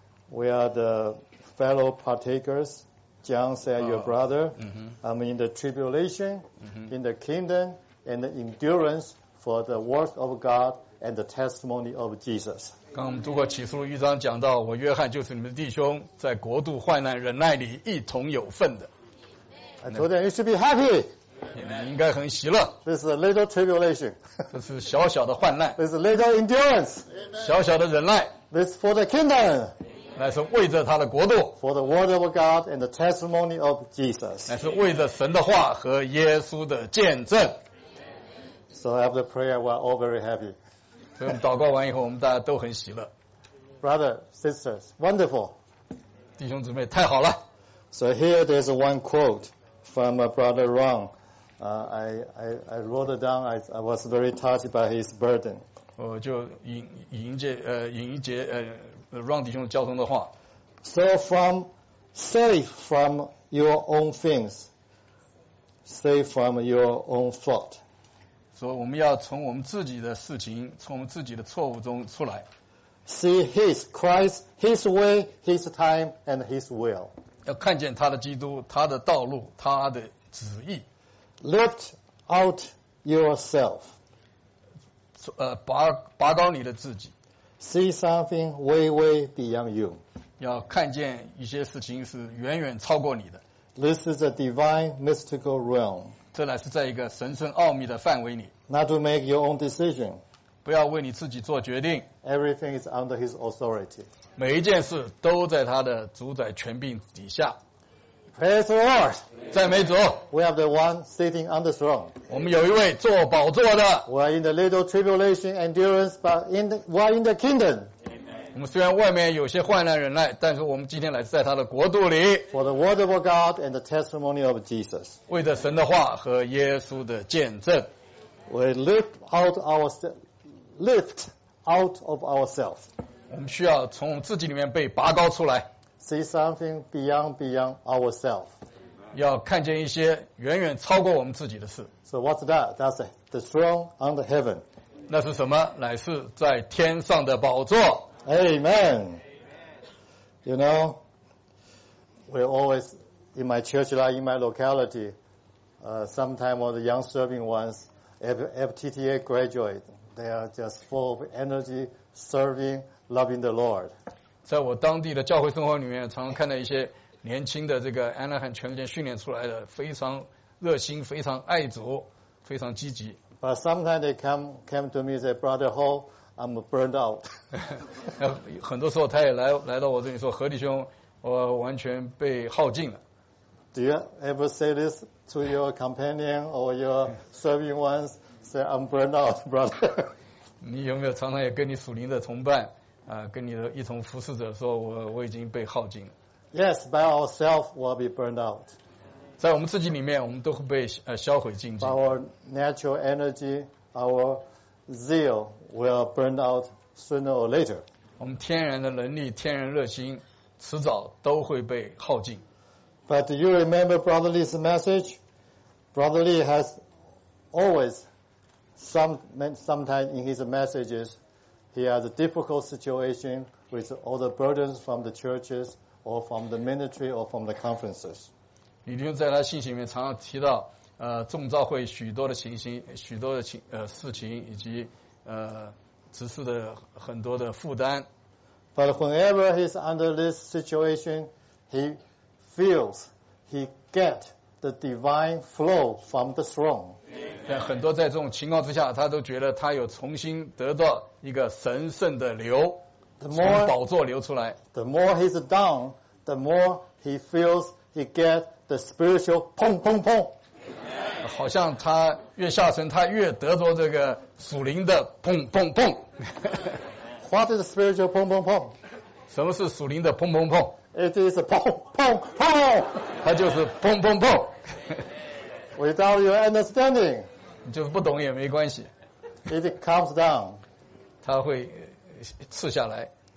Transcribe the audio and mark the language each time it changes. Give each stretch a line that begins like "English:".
English: We are the fellow partakers. John said, your brother. I'm in the tribulation, in the kingdom, and the endurance for the work of God and the testimony of Jesus.
Chinese: 刚我们读过启示录一章，讲到我约翰就是你们的弟兄，在国度患难忍耐里一同有份的。
English: I told them you should be happy.
Chinese: 你应该很喜乐。
English: This is a little tribulation.
Chinese: 这是小小的患难。
English: This is a little endurance.
Chinese: 小小的忍耐。
English: This is for the kingdom.
Chinese: 乃是为着他的国度。
English: For the word of God and the testimony of Jesus.
Chinese: 乃是为着神的话和耶稣的见证。
English: So after prayer, we are all very happy.
Chinese: 所以我们祷告完以后，我们大家都很喜乐。
English: Brother, sisters, wonderful.
Chinese: 弟兄姊妹，太好了。
English: So here there's one quote. From my brother Ron, I wrote it down. I was very touched by his burden.
Chinese: 我就引一节Ron 弟兄交通的话。
English: So from safe from your own things, safe from your own fault.
Chinese: 所以我们要从我们自己的事情，从我们自己的错误中出来。
English: See his Christ, his way, his time, and his will.
Chinese: 要看见他的基督，他的道路，他的旨意。
English: Lift out yourself.
Chinese: 拔高你的自己。
English: See something way, way beyond you.
Chinese: 要看见一些事情是远远超过你的。
English: This is a divine mystical realm.
Chinese: 这乃是在一个神圣奥秘的范围里。
English: Not to make your own decision.
Chinese: 不要为你自己做决定。
English: Everything is under his authority.
Chinese: 每一件事都在他的主宰权柄底下。
English: Praise the Lord.
Chinese: 赞美主。
English: We have the one sitting on the throne.
Chinese: 我们有一位坐宝座的。
English: We are in the little tribulation endurance, but we are in the kingdom.
Chinese: Amen. 我们虽然外面有些患难忍耐，但是我们今天来在他的国度里。
English: For the word of God and the testimony of Jesus.
Chinese: 为着神的话和耶稣的见证。
English: We lift out of ourselves.
Chinese: 我们需要从自己里面被拔高出来。
English: See something beyond ourselves.
Chinese: 要看见一些远远超过我们自己的事。
English: So what's that? That's the throne under heaven.
Chinese: 那是什么？乃是在天上的宝座。
English: Amen. You know, we always, in my church, like in my locality, sometimes all the young serving ones, FTTA graduate, they are just full of energy, serving,Loving the Lord.
Chinese: 在我当地的教会生活里面，常常看到一些年轻的这个安拉罕全人间训练出来的，非常热心，非常爱主，非常积极。
English: But sometimes they came to me and say, Brother Ho, I'm burned out.
Chinese: 很多时候他也来到我这里说，何弟兄，我完全被耗尽了。
English: Do you ever say this to your companion or your serving ones? Say, I'm burned out, brother.
Chinese: 你有没有常常也跟你属灵的同伴？跟你的一同服侍者说我已经被耗尽了。
English: Yes, by ourselves we'll be burned out.
Chinese: 在我们自己里面我们都会被销毁尽。
English: By our natural energy, our zeal will burn out sooner or later.
Chinese: 我们天然的能力天然热心迟早都会被耗尽。
English: But do you remember Brother Lee's message? Brother Lee has always sometimes in his messages,He has a difficult situation with all the burdens from the churches or from the ministry or from the conferences.
Chinese: 李弟兄在他信息里面常常提到众召会许多的情形许多的事情以及执事的很多的负担。
English: But whenever he's under this situation, he feels, he gets the divine flow from the throne.
Chinese: 但很多在这种情况之下他都觉得他有重新得到一个神圣的流
English: the more,
Chinese: 从宝座流出来。
English: The more he's down, the more he feels he gets the spiritual 砰砰砰。
Chinese: 好像他越下沉他越得着这个属灵的砰砰砰。
English: What is the spiritual 砰砰砰?
Chinese: 什么是属灵的砰砰砰?
English: It is a 砰砰砰。
Chinese: 他就是砰砰砰。
English: Without your understanding,
Chinese: 就不懂也没关系。
English: It comes down,
Chinese: 它会刺下来。